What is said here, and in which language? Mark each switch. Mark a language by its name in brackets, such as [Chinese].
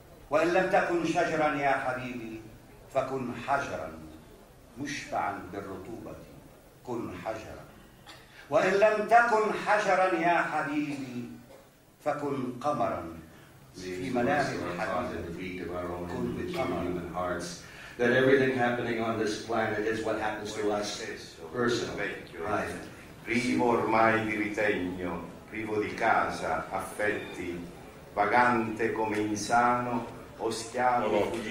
[Arabic] وإن لم تكن شجرا يا حبيبي فكن حجرا مشبعا بالرطوبة، كن حجرا. وإن لم تكن حجرا يا حبيبي فكن قمرا في منازل الحبيب، كن قمرا. [English] That everything happening on this planet is what happens to us personally. [Italian] Privo ormai di ritegno, privo di casa, affetti, vagante come insano o schiavo.